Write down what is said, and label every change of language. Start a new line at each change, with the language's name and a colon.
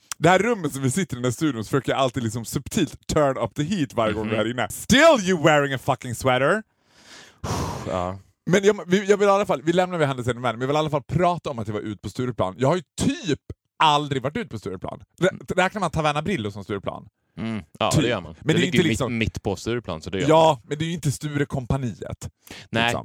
Swedish: Det här rummet som vi sitter i den här studion, så försöker jag alltid liksom subtilt
English: turn up the heat
Swedish: varje gång vi är inne.
English: Still you wearing a fucking sweater.
Swedish: Ja. Men jag vill i alla fall, vi lämnar vi händelsen med, men jag vill i alla fall prata om att jag var ut på Stureplan. Jag har ju typ aldrig varit ut på Stureplan. Räknar man Taverna Brillo som Stureplan? Mm. Ja, typ. Det gör man. Men det ligger ju inte liksom... mitt på Stureplan, så det gör ja, man. Men det är ju inte Sturekompaniet. Nej, liksom.